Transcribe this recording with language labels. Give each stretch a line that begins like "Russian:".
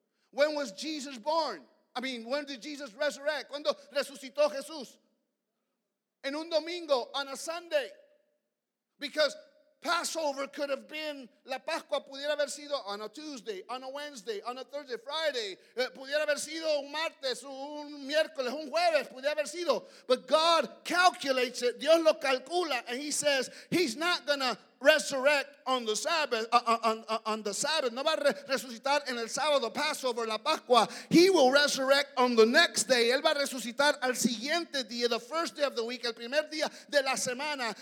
English: When was Jesus born? I mean, when did Jesus resurrect?
Spanish: ¿Cuándo resucitó Jesús? En un domingo,
English: on a Sunday. Because Passover could have been,
Spanish: la Pascua pudiera haber sido
English: on a Tuesday, on a Wednesday, on a Thursday, Friday.
Spanish: Pudiera haber sido un martes, un miércoles, un jueves, pudiera haber sido.
English: But God calculates it.
Spanish: Dios lo calcula,
English: and he says he's not going to resurrect on the Sabbath, on the Sabbath.
Spanish: No va a resucitar en el sábado, Passover, la Pascua.
English: He will resurrect on the next day.
Spanish: Él va a resucitar al siguiente día,
English: the first day of the week,
Spanish: el primer día de la semana.